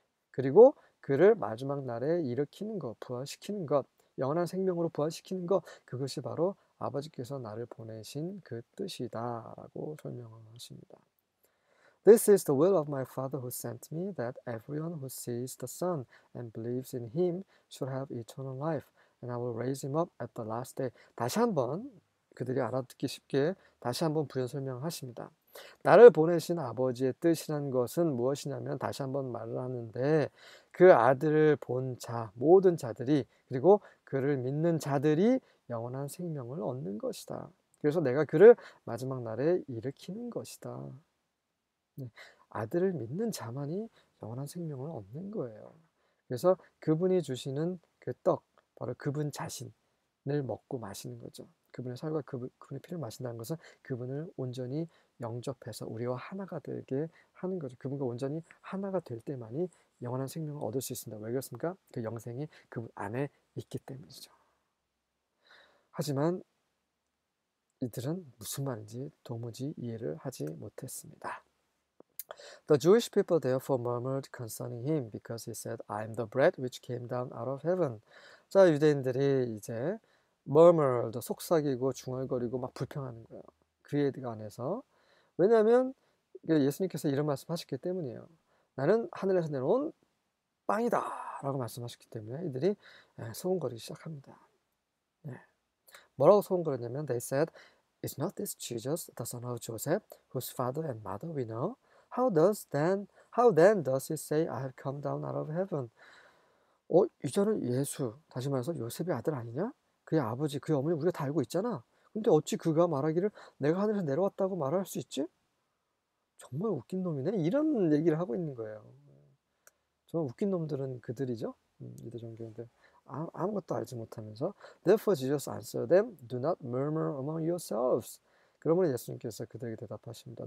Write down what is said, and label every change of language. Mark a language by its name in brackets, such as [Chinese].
[Korean] 그리고 그를 마지막 날에 일으키는 것, 부활시키는 것, 영원한 생명으로 부활시키는 것. 그것이 바로 아버지께서 나를 보내신 그 뜻이다. 라고 설명을 하십니다. [English] This is the will of my Father who sent me, that everyone who sees the Son and believes in him should have eternal life, and I will raise him up at the last day. [Korean] 다시 한번 그들이 알아듣기 쉽게 다시 한번 부연 설명하십니다. 나를 보내신 아버지의 뜻이란 것은 무엇이냐면, 다시 한번 말을 하는데, 그 아들을 본 자, 모든 자들이, 그리고 그를 믿는 자들이 영원한 생명을 얻는 것이다. 그래서 내가 그를 마지막 날에 일으키는 것이다. 아들을 믿는 자만이 영원한 생명을 얻는 거예요. 그래서 그분이 주시는 그 떡, 바로 그분 자신을 먹고 마시는 거죠. 그분의 살과 그분의 피를 마신다는 것은 그분을 온전히 영접해서 우리와 하나가 되게 하는 거죠. 그분과 온전히 하나가 될 때만이 영원한 생명을 얻을 수 있습니다. 왜 그렇습니까? 그 영생이 그분 안에 있기 때문이죠. 하지만 이들은 무슨 말인지 도무지 이해를 하지 못했습니다. [English] The Jewish people therefore murmured concerning him because he said, "I am the bread which came down out of heaven." [Korean] 자, 유대인들이 이제 murmur도 속삭이고 중얼거리고 막 불평하는 거예요. 그에 관해서. 왜냐하면 예수님께서 이런 말씀하셨기 때문이에요. 나는 하늘에서 내려온 빵이다라고 말씀하셨기 때문에 이들이 소곤거리기 시작합니다. 뭐라고 소곤거렸냐면, [English] they said, "Is not this Jesus, the son of Joseph, whose father and mother we know? How then does he say, 'I have come down out of heaven'?" [Korean] 이전에 예수, 다시 말해서 요셉의 아들 아니냐? 그의 아버지, 그의 어머니 우리가 다 알고 있잖아. 근데 어찌 그가 말하기를 내가 하늘에서 내려왔다고 말할 수 있지? 정말 웃긴 놈이네. 이런 얘기를 하고 있는 거예요. 정말 웃긴 놈들은 그들이죠. 유대 종교인데 아무것도 알지 못하면서. [English] Therefore Jesus answered them, "Do not murmur among yourselves." [Korean] 그러므로 예수님께서 그들에게 대답하십니다.